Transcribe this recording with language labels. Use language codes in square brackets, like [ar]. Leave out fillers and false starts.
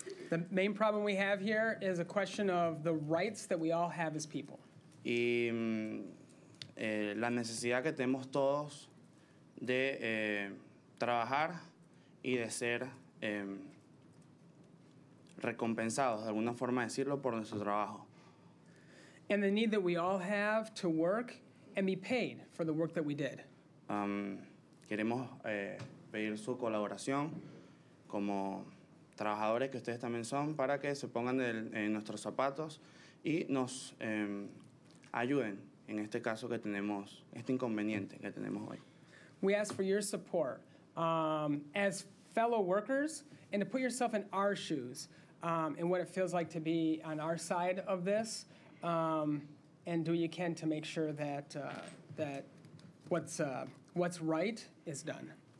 [en] The main problem we have here is a question of the rights that we all have as people. [es] Y la necesidad que tenemos todos de trabajar y de ser recompensados, de alguna forma decirlo, por nuestro trabajo. [en] And the need that we all have to work and be paid for the work that we did. [es] Queremos pedir su colaboración como trabajadores que ustedes también son para que se pongan en nuestros zapatos y nos ayuden en este caso que tenemos, este inconveniente que tenemos hoy. [en] We ask for your support as fellow workers and to put yourself in our shoes and what it feels like to be on our side of this and do what you can to make sure that that what's right is done.